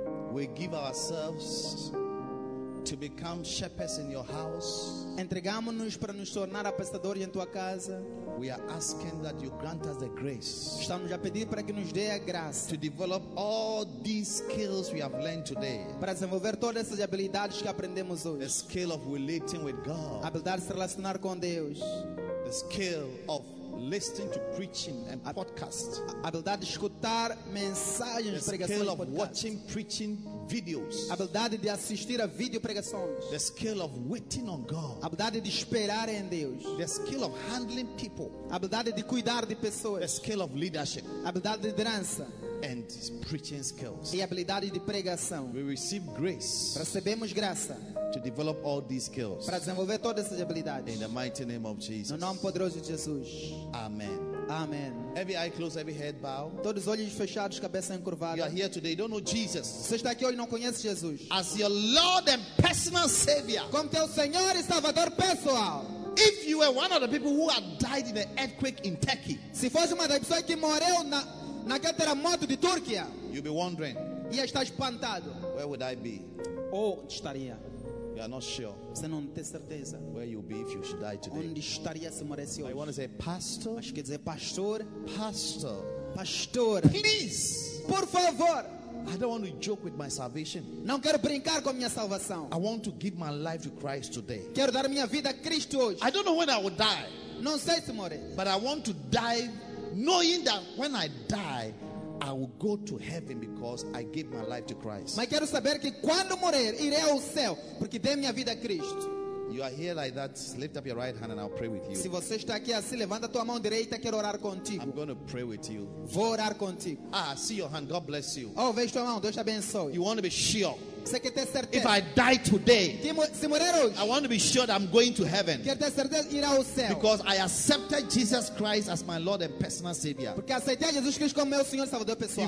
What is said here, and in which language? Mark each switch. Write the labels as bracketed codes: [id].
[en] we give ourselves to become shepherds in your house. [pt] Entregamo-nos para nos tornar apacentadores em tua casa. [en] We are asking that you grant us the grace. [pt] Estamos a pedir para que nos dê a graça. [en] To develop all these skills we have learned today. [pt] Para desenvolver todas essas habilidades que aprendemos hoje. [en] The skill of relating with God. [pt] Habilidade de se relacionar com Deus. [en] The skill of listening to preaching and podcasts. [pt] Habilidade de escutar mensagens, pregações. [en] The skill of watching preaching videos. [pt] Habilidade de assistir a vídeo pregações. [en] The skill of waiting on God. [pt] Habilidade de esperar em Deus. [en] The skill of handling people. [pt] Habilidade de cuidar de pessoas. [en] The skill of leadership. [pt] Habilidade de liderança. [en] And preaching skills. [pt] E habilidade de pregação. [en] We receive grace. [pt] Recebemos graça. [en] To develop all these skills. [pt] Para desenvolver todas essas habilidades. [en] In the mighty name of Jesus. [pt] No nome poderoso de Jesus. [en] Amen. [pt] Amen. [en] Every eye closed, every head bowed. [pt] Todos os olhos fechados, cabeça encurvada. [en] You are here today, don't know Jesus. [pt] Você está aqui hoje, não conhece Jesus. [en] As your Lord and personal Savior. [pt] Como teu Senhor e Salvador pessoal. [en] If you were one of the people who had died in an earthquake in Turkey. [pt] Se fosse uma das pessoas que morreu naquele terremoto de Turquia. [en] You'll be wondering. [pt] Ia estar espantado. [en] Where would I be? [pt] Onde estaria? [en] You are not sure. [pt] Você não tem certeza. [en] Where you'll be if you should die today. [pt] Onde estaria se morresse hoje? [en] I want to say, pastor. [pt] Mas quer dizer, pastor. [en] Pastor. [pt] Pastor. [en] Please. [pt] Por favor. [en] I don't want to joke with my salvation. [pt] Não quero brincar com minha salvação. [en] I want to give my life to Christ today. [pt] Quero dar minha vida a Cristo hoje. [en] I don't know when I will die. [pt] Não sei se morrer. [en] But I want to die knowing that when I die, I will go to heaven because I gave my life to Christ. [pt] Mas quero saber que quando morrer irei ao céu porque dei minha vida a Cristo. [en] You are here like that, lift up your right hand and I'll pray with you. [pt] Se você está aqui assim, levanta a tua mão direita, quero orar contigo. [en] I'm going to pray with you. [pt] Vou orar contigo. [en] Ah, see your hand. God bless you. [pt] Oh, vejo tua mão. Deus te abençoe. [en] You want to be sure? [pt] Você quer ter certeza? [en] If I die today, [pt] se morrer hoje, [en] I want to be sure that I'm going to heaven. [pt] Quer ter certeza, irá ao céu. [en] Because I accepted Jesus Christ as my Lord and personal Savior. [pt] Porque aceitei Jesus Cristo como meu Senhor e Salvador pessoal.